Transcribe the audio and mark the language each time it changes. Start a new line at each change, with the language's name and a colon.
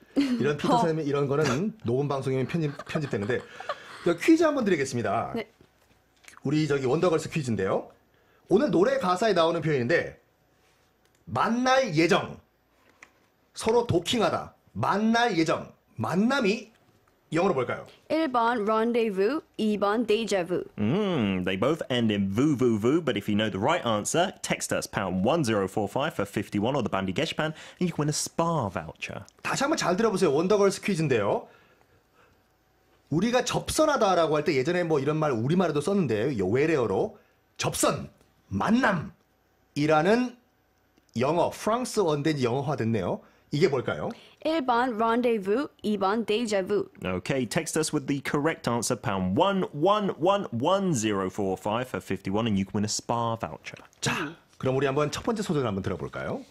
Korean: 이런 피터 선생님 이런 거는 녹음 방송이면 편집되는데 퀴즈 한번 드리겠습니다. 네. 우리 저기 원더걸스 퀴즈인데요. 오늘 노래 가사에 나오는 표현인데 만날 예정, 서로 도킹하다, 만날 예정, 만남이. 영어로 볼까요? 1번 rendezvous, 2번 deja vu.
English: They both end in vu vu vu, but if you know the right answer, text us #1045 for 51 or the Bandy Geshpan and you can win a spa voucher.
Korean: 다시 한번 잘 들어보세요. 원더걸스 퀴즈인데요. 우리가 접선하다라고 할 때 예전에 뭐 이런 말 우리말에도 썼는데 요 외래어로 접선, 만남이라는 영어, 프랑스어인데 영어화 됐네요. 이게 뭘까요? 1번 rendezvous, 2번 deja vu.
English: Okay, text us with the correct answer, #1111045 for 51, and you can win a spa voucher.
Korean: 자, 그럼 우리 한번 첫 번째 소절 한번 들어볼까요?